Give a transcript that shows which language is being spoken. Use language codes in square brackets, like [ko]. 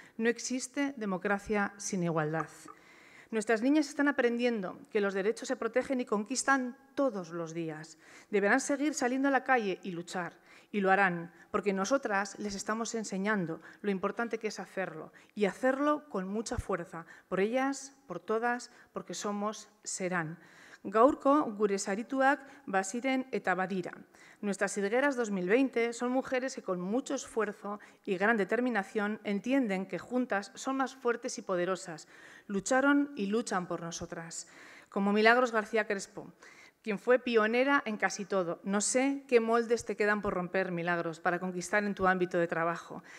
[es] No existe democracia sin igualdad. Nuestras niñas están aprendiendo que los derechos se protegen y conquistan todos los días. Deberán seguir saliendo a la calle y luchar. Y lo harán, porque nosotras les estamos enseñando lo importante que es hacerlo. Y hacerlo con mucha fuerza. Por ellas, por todas, porque somos, serán. [eu] Gaurko gure sarituak baziren eta badira. [es] Nuestras sirgueras 2020 son mujeres que con mucho esfuerzo y gran determinación entienden que juntas son más fuertes y poderosas. Lucharon y luchan por nosotras. Como Milagros García Crespo, quien fue pionera en casi todo. No sé qué moldes te quedan por romper, Milagros, para conquistar en tu ámbito de trabajo.